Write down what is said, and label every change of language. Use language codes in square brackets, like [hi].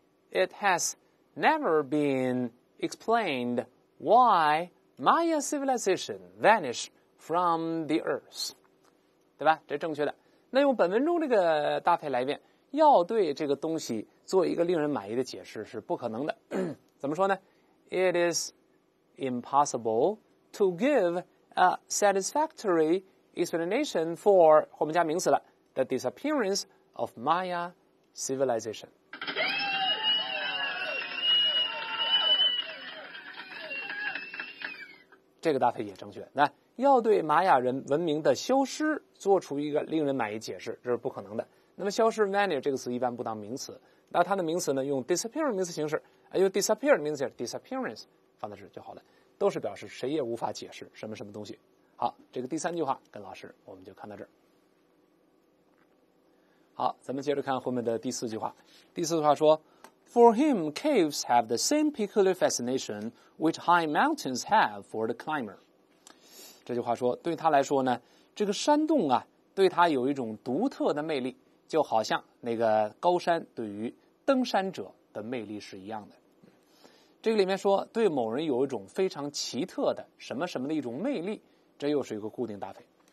[en] It has never been explained why Maya civilization vanished from the earth， [zh] 对吧？这正确的。那用本文中这个搭配来一遍，要对这个东西做一个令人满意的解释是不可能的。怎么说呢？ [en] It is impossible to give a satisfactory explanation for [zh] 后面加名词了 [en] the disappearance of Maya civilization。 [zh] 这个搭配也正确，那要对玛雅人文明的消失做出一个令人满意解释这是不可能的。那么消失 vanish 这个词一般不当名词，那它的名词呢用 disappear 名词形式，用 disappear 名词形式 disappearance 放在这就好了，都是表示谁也无法解释什么什么东西。好，这个第三句话跟老师我们就看到这儿。好，咱们接着看后面的第四句话。第四句话说 [en] For him, caves have the same peculiar fascination which high mountains have for the climber. [zh] 这句话说对他来说呢，这个山洞啊对他有一种独特的魅力，就好像那个高山对于登山者的魅力是一样的。这个里面说对某人有一种非常奇特的什么什么的一种魅力，这又是一个固定搭配。